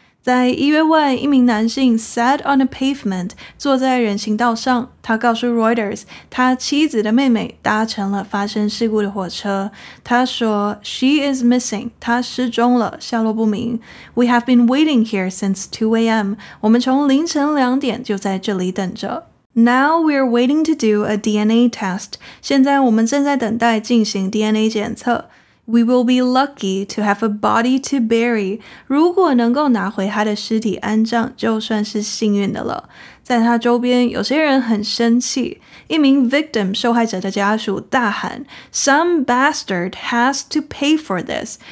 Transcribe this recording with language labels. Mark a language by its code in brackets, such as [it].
[zh] 在医院外，一名男性 [en] sat on a pavement, [zh] 坐在人行道上。他告诉 Reuters, 他妻子的妹妹搭乘了发生事故的火车。他说 , [en] She is missing, [zh] 她失踪了，下落不明。 [en] We have been waiting here since 2 a.m. [zh] 我们从凌晨两点就在这里等着。 [en] Now we're waiting to do a DNA test. [zh] 现在我们正在等待进行 DNA 检测。 [en] We will be lucky to have a body to bury. [zh] 如果能够拿回他的尸体安葬，就算是幸运的了。在他周边，有些人很生气。一名 victim 受害者的家属大喊 , [en] Some bastard has to pay for this.